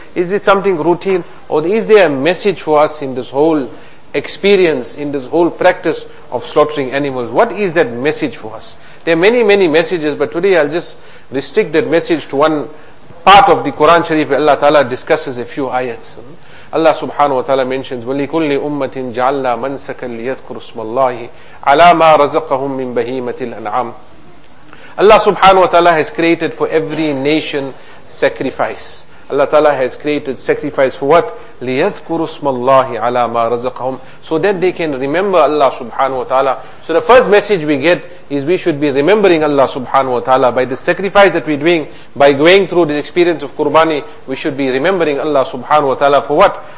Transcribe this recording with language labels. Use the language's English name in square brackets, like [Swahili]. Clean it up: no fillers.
[English] Is it something routine? Or is there a message for us in this whole experience, in this whole practice of slaughtering animals? What is that message for us? There are many, many messages, but today I'll just restrict that message to one part of the Quran Sharif where Allah Ta'ala discusses a few ayats. Allah subhanahu wa ta'ala mentions, [Arabic] وَلِكُلِّ أُمَّةٍ جَعَلْنَا مَنْسَكًا لِيَذْكُرُ اسْمَ اللَّهِ عَلَى مَا رَزَقَهُمْ مِنْ بَهِيمَةِ الْأَنْعَامِ. [English] Allah subhanahu wa ta'ala has created for every nation sacrifice. Allah ta'ala has created sacrifice for what? [Arabic] لِيَذْكُرُ اسْمَ اللَّهِ عَلَى مَا رَزَقَهُمْ. [English] So that they can remember Allah subhanahu wa ta'ala. So the first message we get is we should be remembering Allah subhanahu wa ta'ala by the sacrifice that we're doing, by going through this experience of Qurbani, we should be remembering Allah subhanahu wa ta'ala for what?